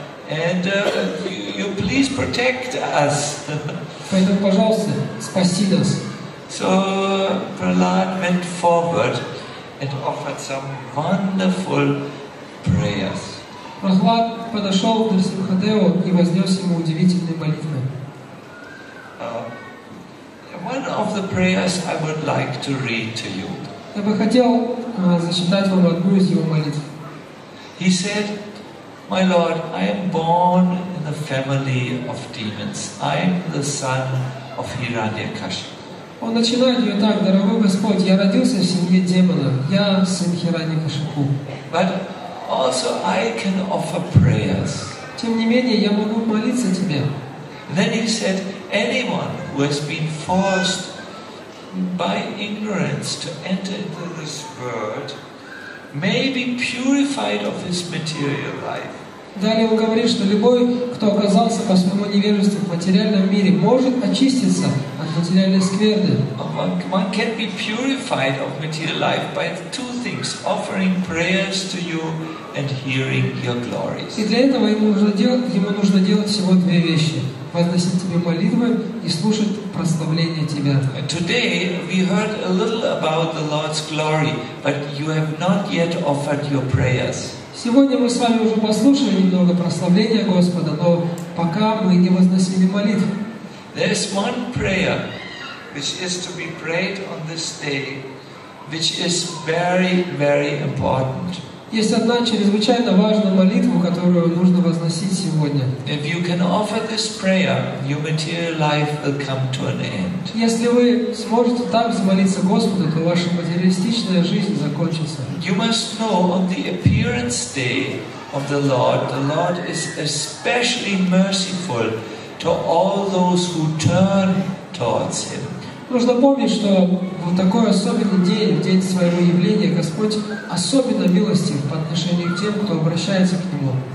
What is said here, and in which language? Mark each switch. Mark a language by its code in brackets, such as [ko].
[en] And you please protect us. [ru] Поэтому, пожалуйста, спаси нас. [en] So Prahlad went forward and offered some wonderful prayers. [ru] Прохлад подошел к Нрсимхадеву и вознес ему удивительные молитвы. [en] One of the prayers I would like to read to you. [ru] Я бы хотел зачитать вам одну из его молитв. [en] He said, "My Lord, I am born in the family of demons. I am the son of Hiranyakashipu." [ru] Он начинает ее так: "Дорогой Господь, я родился в семье демонов. Я сын Хираньякашипу." [en] But also, I can offer prayers. [ru] Тем не менее, я могу молиться тебе. [en] Then he said, "Anyone who has been forced by ignorance to enter into this world may be purified of his material life." [ru] Далее он говорит, что любой, кто оказался по своему невежеству в материальном мире, может очиститься от материальной скверны. [en] One can be purified of material life by two things: offering prayers to you and hearing your glories. [ru] И для этого ему нужно делать всего две вещи: возносить тебе молитвы и слушать прославление тебя. [en] Today we heard a little about the Lord's glory, but you have not yet offered your prayers. [ru] Сегодня мы с вами уже послушали немного прославления Господа, но пока мы не возносили молитв. [en] There is one prayer which is to be prayed on this day, which is very, very important. [ru] Есть одна чрезвычайно важная молитва, которую нужно возносить сегодня. [en] If you can offer this prayer, your material life will come to an end. [ru] Если вы сможете так замолиться Господу, то ваша материалистичная жизнь закончится. [en] You must know on the appearance day of the Lord is especially merciful to all those who turn towards Him. [ru] Нужно помнить, что в такой особенный день, в день Своего явления, Господь особенно милостив по отношению к тем, кто обращается к Нему.